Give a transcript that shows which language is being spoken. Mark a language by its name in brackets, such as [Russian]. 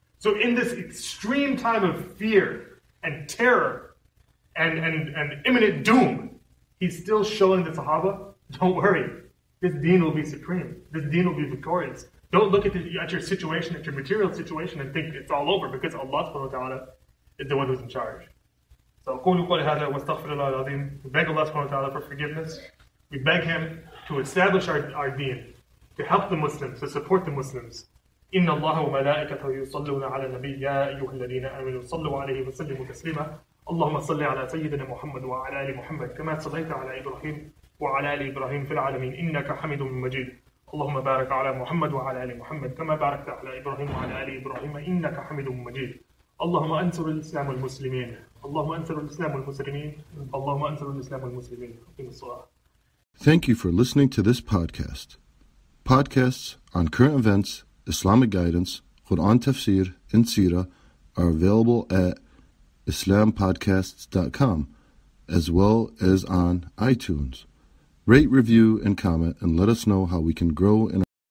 [English] So in this extreme time of fear and terror and imminent doom, he's still showing the Sahaba, don't worry, this deen will be supreme. This deen will be victorious. Don't look at your situation, at your material situation, and think it's all over, because Allah subhanahu wa ta'ala is the one who's in charge. [Arabic] So قولوا قولي هذا واستغفر الله العظيم. [English] We beg Allah subhanahu wa ta'ala for forgiveness. We beg him to establish our deen, to help the Muslims, to support the Muslims. [Arabic] إِنَّ اللَّهَ وَمَلَائِكَتَهُ يُصَلُّونَ عَلَى النَّبِيِّ يَا أَيُّهَا الَّذِينَ آمَنُوا صَلُّوا عَلَيْهِ وَسَلِّمُوا تَسْلِيمًا اللهم صل على سيدنا محمد وعلى آل محمد كما صليت على إبراهيم وعلى آل إبراهيم في العالمين إنك حميد مجيد اللهم بارك على محمد وعلى آل محمد كما باركت على إبراهيم وعلى آل إبراهيم إنك حميد مجيد اللهم أنصر الإسلام والمسلمين اللهم أنصر الإسلام والمسلمين اللهم أنصر الإسلام والمسلمين أقيم الصلاة. [English] Thank you for listening to this podcast. Podcasts on current events, Islamic guidance, Quran tafsir, and seerah are available at islampodcasts.com as well as on iTunes. Rate, review, and comment, and let us know how we can grow in